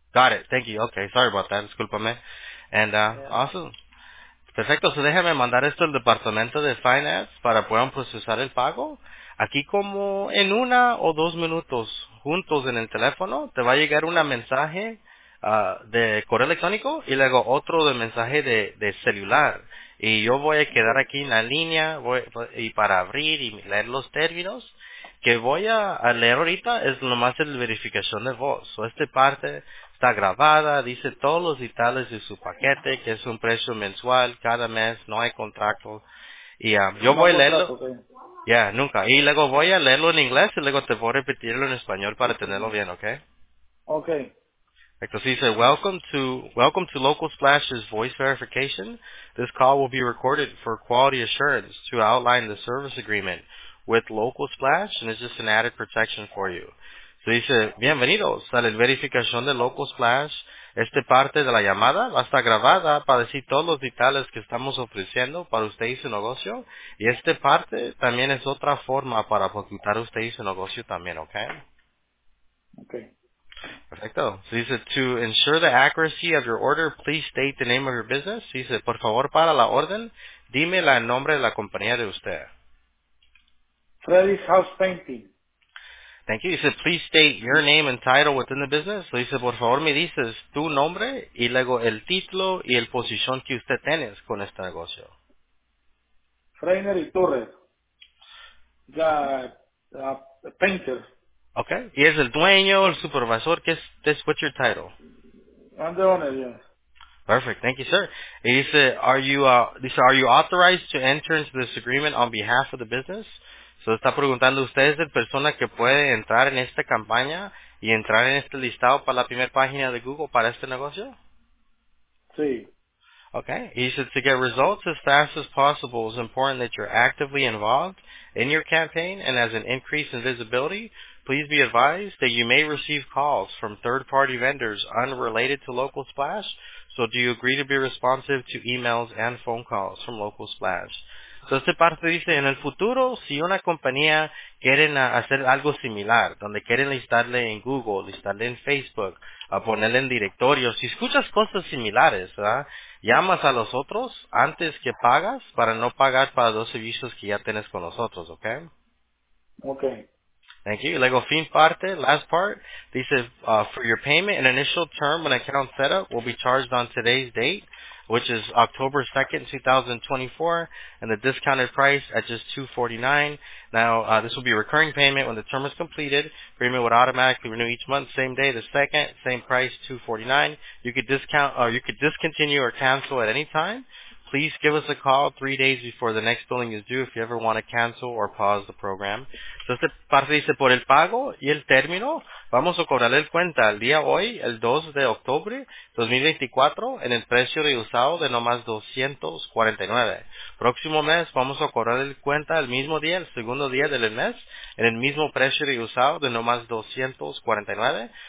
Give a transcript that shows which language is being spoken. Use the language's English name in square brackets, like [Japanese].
[English] Got it, thank you. Okay, sorry about that, [Spanish] discúlpame. [English] And, yeah. Awesome. [Spanish] Perfecto, so déjame mandar esto al departamento de Finance para puedan procesar el pago. Aquí como en una o dos minutos juntos en el teléfono, te va a llegar un mensaje de correo electrónico y luego otro de mensaje de celular. Y yo voy a quedar aquí en la línea y para abrir y leer los términos que voy a leer ahorita es nomás la verificación de voz. So, esta parte está grabada, dice todos los detalles de su paquete, que es un precio mensual cada mes, no hay contrato. Y yo voy a leerlo. Ya, yeah, nunca. Y luego voy a leerlo en inglés y luego te voy a repetirlo en español para tenerlo bien, ¿ok? Ok. Entonces dice, [English] Welcome to Local Splash's voice verification. This call will be recorded for quality assurance to outline the service agreement with Local Splash, and it's just an added protection for you. [Spanish] So dice, bienvenidos a la verificación de Local Splash. Esta parte de la llamada va a estar grabada para decir todos los detalles que estamos ofreciendo para usted y su negocio. Y esta parte también es otra forma para facultar usted y su negocio también, ¿ok? Ok. Perfecto. Se dice, [English] to ensure the accuracy of your order, please state the name of your business. [Spanish] Se dice, por favor, para la orden, dime el nombre de la compañía de usted. [English] Freddy's House Painting. Thank you. He said, please state your name and title within the business. So he said, [Spanish] por favor, me dices tu nombre y luego el título y el posición que usted tienes con este negocio. [English] Freiner y Torres. The painter. [Spanish] Okay. Y es el dueño, el supervisor. ¿Qué es? [English] This, what's your title? I'm the owner, yes. Perfect. Thank you, sir. He said, are you authorized to enter into this agreement on behalf of the business? [Spanish] So está preguntando, ¿usted es la persona que puede entrar en esta campaña y entrar en este listado para la primera página de Google para este negocio? Sí. [English] Okay. He said, to get results as fast as possible, it's important that you're actively involved in your campaign and as an increase in visibility, please be advised that you may receive calls from third-party vendors unrelated to Local Splash. So do you agree to be responsive to emails and phone calls from Local Splash? [Spanish] So, esta parte dice, en el futuro, si una compañía quiere hacer algo similar, donde quieren listarle en Google, listarle en Facebook, a ponerle en directorio, si escuchas cosas similares, ¿verdad? Llamas a los otros antes que pagas para no pagar para dos servicios que ya tienes con nosotros, ¿ok? Ok. [English] Thank you. [Spanish] Luego, fin parte, [English] last part, [Spanish] dice, [English] for your payment, an initial term and account setup will be charged on today's date, which is October 2nd, 2024, and the discounted price at just $249. Now, this will be a recurring payment when the term is completed. Premium would automatically renew each month, same day, the second, same price, $249. You could discount, or you could discontinue or cancel at any time. Please give us a call 3 days before the next billing is due if you ever want to cancel or pause the program. [Spanish] Entonces, parte dice, por el pago y el término, vamos a cobrarle el cuenta el día hoy, el 2 de octubre 2024, en el precio reusado de nomás $249. Próximo mes, vamos a cobrar el cuenta el mismo día, el segundo día del mes, en el mismo precio reusado de nomás $249.